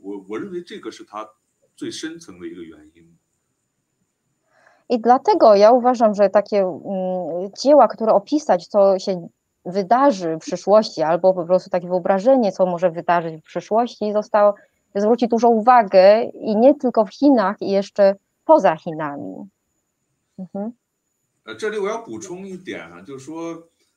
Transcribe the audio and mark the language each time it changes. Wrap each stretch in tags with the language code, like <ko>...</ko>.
<zh>科幻小说，不光在中国，也在这个中国之外受到了广泛的注意。我认为这个是它最深层的一个原因。</zh> <pl>I dlatego ja uważam, że takie dzieła, które opisać, co się wydarzy w przyszłości, albo po prostu takie wyobrażenie, co może wydarzyć w przyszłości, zostało zwrócić dużą uwagę i nie tylko w Chinach, i jeszcze poza Chinami.</pl> <zh>Mhm.这里我要补充一点啊，就是说。</zh>